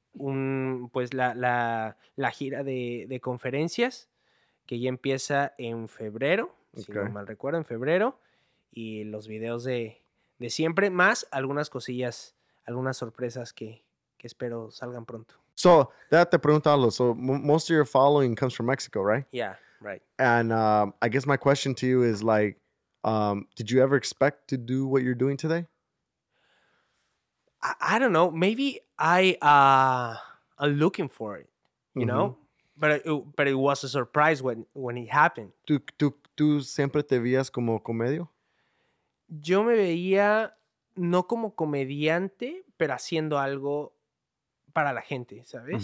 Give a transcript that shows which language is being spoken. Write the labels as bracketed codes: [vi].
[es] la gira de conferencias que ya empieza en febrero, si no mal recuerdo, en febrero, y los videos de siempre, más algunas cosillas, algunas sorpresas que espero salgan pronto. [en] So, [es] te pregunto algo. [en] So, most of your following comes from Mexico, right? Yeah. Right. And I guess my question to you is like, did you ever expect to do what you're doing today? I don't know. Maybe I'm looking for it, you mm-hmm. know? But it was a surprise when it happened. [es] ¿Tú siempre te veías como comedio? Yo me veía no como comediante, pero haciendo algo para la gente, ¿sabes?